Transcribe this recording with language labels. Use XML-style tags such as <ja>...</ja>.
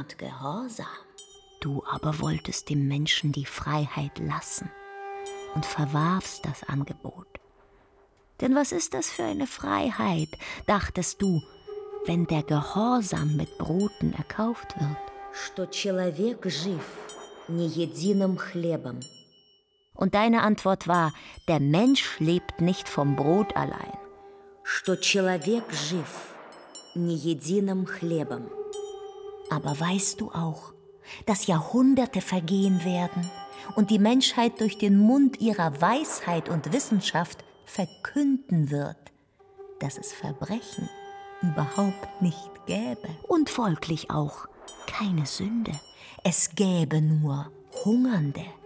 <de>Und gehorsam. Du aber wolltest dem Menschen die Freiheit lassen und verwarfst das Angebot. Denn was ist das für eine Freiheit, dachtest du, wenn der Gehorsam mit Broten erkauft wird?</de> <ru>Что человек жив не единым хлебом.</ru> <de>Und deine Antwort war, der Mensch lebt nicht vom Brot allein.</de> <ru>Что человек жив не единым хлебом.</ru> <de>Aber weißt du auch, dass Jahrhunderte vergehen werden und die Menschheit durch den Mund ihrer Weisheit und Wissenschaft verkünden wird, dass es Verbrechen überhaupt nicht gäbe. Und folglich auch, keine Sünde, es gäbe nur Hungernde.</de>